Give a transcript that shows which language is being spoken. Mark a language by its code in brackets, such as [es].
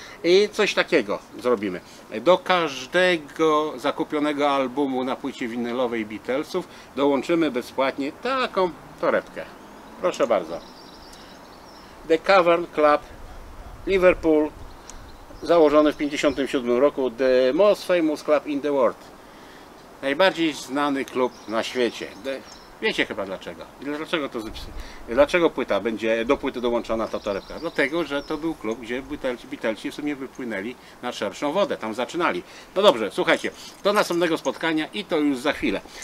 [pl] I coś takiego zrobimy. Do każdego zakupionego albumu na płycie winylowej Beatlesów dołączymy bezpłatnie taką torebkę. Proszę bardzo. The Cavern Club, Liverpool, założony w 1957 roku. [en] The most famous club in the world. [pl] Najbardziej znany klub na świecie. Wiecie chyba dlaczego. Dlaczego płyta będzie do płyty dołączona ta torebka? Dlatego, że to był klub, gdzie Beatlesi w sumie wypłynęli na szerszą wodę. Tam zaczynali. No dobrze, słuchajcie. Do następnego spotkania i to już za chwilę.